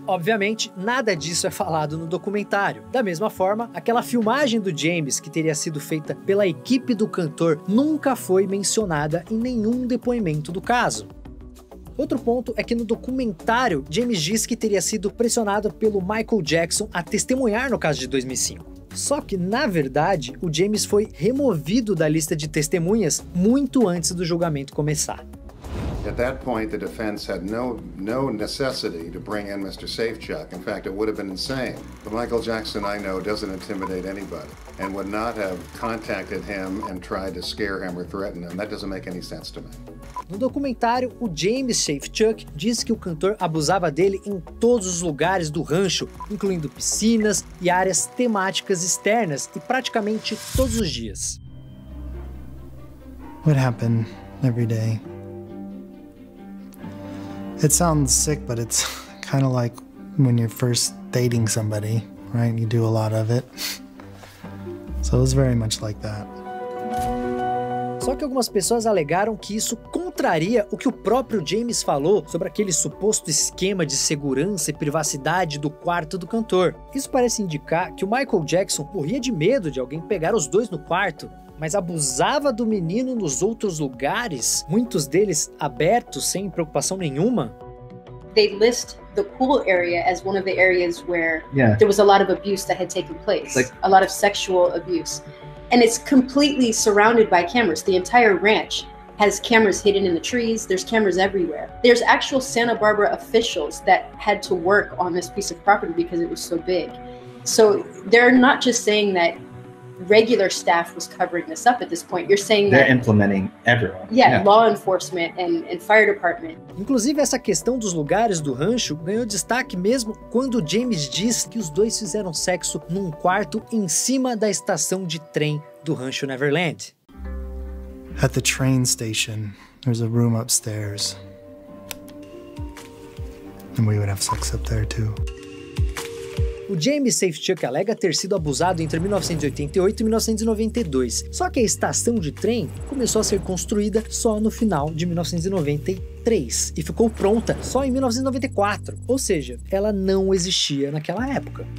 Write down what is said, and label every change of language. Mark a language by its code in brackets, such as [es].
[pt] Obviamente, nada disso é falado no documentário. Da mesma forma, aquela filmagem do James que teria sido feita pela equipe do cantor nunca foi mencionada em nenhum depoimento do caso. Outro ponto é que no documentário, James diz que teria sido pressionado pelo Michael Jackson a testemunhar no caso de 2005. Só que, na verdade, o James foi removido da lista de testemunhas muito antes do julgamento começar. [en] At that point, the defense had no necessity to bring in Mr. Safechuck. In fact, it would have been insane. But Michael Jackson, I know, doesn't intimidate anybody and would not have contacted him and tried to scare him or threaten him. That doesn't make any sense to me. [pt] No documentário, o James Safechuck diz que o cantor abusava dele em todos os lugares do rancho, incluindo piscinas e áreas temáticas externas, e praticamente todos os dias. [en] What happened every day? It sounds sick, but it's kind of like when you're first dating somebody, right? You do a lot of it. So it was very much like that. [pt] Só que algumas pessoas alegaram que isso contraria o que o próprio James falou sobre aquele suposto esquema de segurança e privacidade do quarto do cantor. Isso parece indicar que o Michael Jackson morria de medo de alguém pegar os dois no quarto, mas abusava do menino nos outros lugares, muitos deles abertos, sem preocupação nenhuma. [en] They list the pool area as one of the areas where there was a lot of abuse that had taken place, a lot of sexual abuse. And it's completely surrounded by cameras. The entire ranch has cameras hidden in the trees. There's cameras everywhere. There's actual Santa Barbara officials that had to work on this piece of property because it was so big. So they're not just saying that regular staff was covering this up at this point. You're saying they're that, implementing everyone. Yeah, yeah. Law enforcement and fire department. [pt] Inclusive, essa questão dos lugares do rancho ganhou destaque mesmo quando James diz que os dois fizeram sexo num quarto em cima da estação de trem do Rancho Neverland. [en] At the train station, there's a room upstairs. And we would have sex up there too. [pt] O James Safechuck alega ter sido abusado entre 1988 e 1992, só que a estação de trem começou a ser construída só no final de 1993 e ficou pronta só em 1994, ou seja, ela não existia naquela época.